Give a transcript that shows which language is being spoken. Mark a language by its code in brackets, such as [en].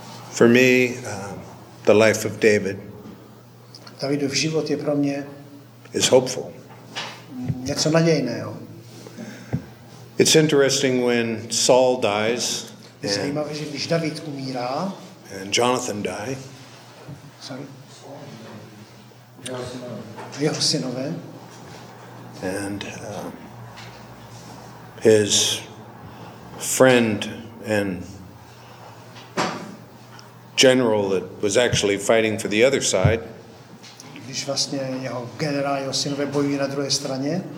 [en] For me, the life of David. [cs] Davidův život je pro mě. [en] Is hopeful. [cs] Něco nadějného. [en] It's interesting when Saul dies. [cs] Je zajímavé, že když David umírá. [en] And Jonathan die. Sorry. [cs] Jeho synové. [en] And his friend and general that was actually fighting for the other side. [cs] Když vlastně jeho generál, jeho synové bojují na druhé straně.